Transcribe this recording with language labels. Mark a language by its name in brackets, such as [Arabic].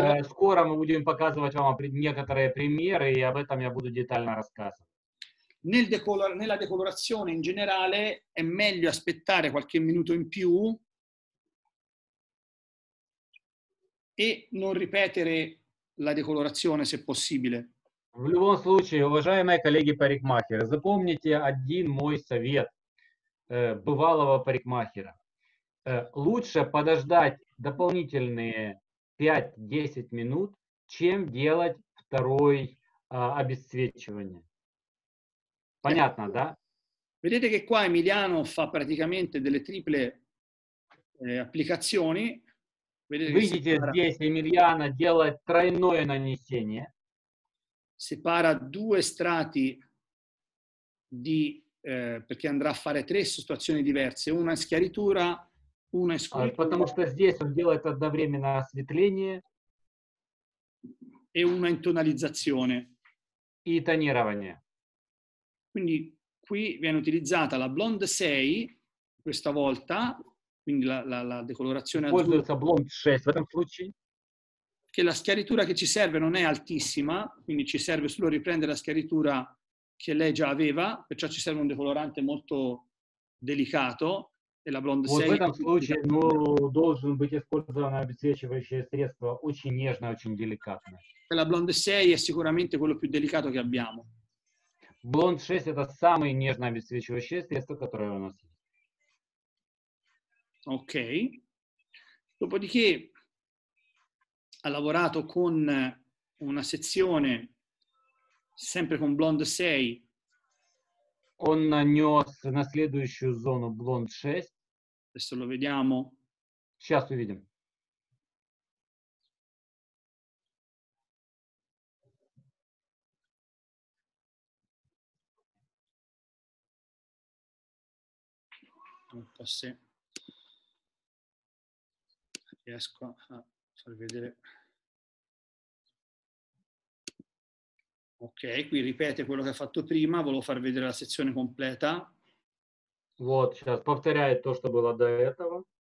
[Russian] Скоро мы будем показывать вам некоторые примеры, и об этом я буду детально рассказывать. [Italian] Nella decolorazione in generale è meglio aspettare qualche minuto in più e non ripetere la decolorazione se possibile. [Russian] В любом случае, уважаемые коллеги-парикмахеры, запомните один мой совет бывалого парикмахера. Лучше подождать дополнительные 5-10 минут, чем делать второе обесцвечивание. Понятно, да? [Italian] Vedete che qua Emiliano fa praticamente delle triple applicazioni. [Russian] Видите, здесь Emiliano делает тройное нанесение. [Italian] Separa due strati di perché andrà a fare tre situazioni diverse, una in schiaritura, una in scultura. [Russian] Потому что здесь он делает одновременно осветление [Italian] e una in tonalizzazione [Russian] и тонирование. [Italian] Quindi qui viene utilizzata la Blonde 6 questa volta, quindi la decolorazione azzurra. [Russian] Blonde 6 в этом случае. [Italian] Che la schiaritura che ci serve non è altissima, quindi ci serve solo riprendere la schiaritura che lei già aveva, perciò ci serve un decolorante molto delicato e la Blonde 6. In questo caso, deve essere usato un [Russian] обесцвечивающее средство очень нежное, очень деликатное. [Italian] E la Blonde 6 è sicuramente quello più delicato che abbiamo. [Russian] Blonde 6 [Italian] è il [Russian] самое нежное обесцвечивающее средство, которое у нас. [Italian] Ok. Dopodiché ha lavorato con una sezione sempre con Blonde 6. [Russian] Он нанес на следующую зону Blonde 6. [Italian] Adesso lo vediamo. [Russian] Сейчас увидим. [Italian] Non so se riesco a far vedere. Ok, qui ripete quello che ha fatto prima, volevo far vedere la sezione completa. [Russian] Вот, сейчас повторяет то, что было до этого.